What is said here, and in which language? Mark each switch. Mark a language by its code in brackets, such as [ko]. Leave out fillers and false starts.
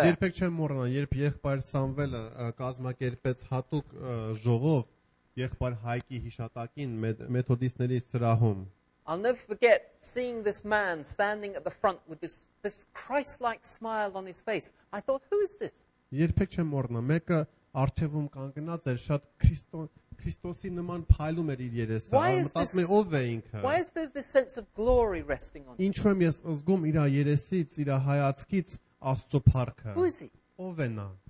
[hy] Ես երբեք չեմ մոռանա, երբ եղբայր Սամվելը կազմակերպեց հատուկ ժողով եղբայր Հայկի հիշատակին մեթոդիստների սրահում. [en] I'll never forget seeing this man standing at the front with this Christ-like smile on his face. I thought, who is this? [hy] Երբեք չեմ մոռանա, մեկը արթևում կանգնած էր, շատ Քրիստոսի նման փայլում էր իր երեսը, մտածում էր ով է ինքը։ [en] Why is there this sense of glory resting on him? [hy] Ինչու եմ ես ազգում իր երեսից, իր հայացքից Աստծո փառքը։ Ով է նա։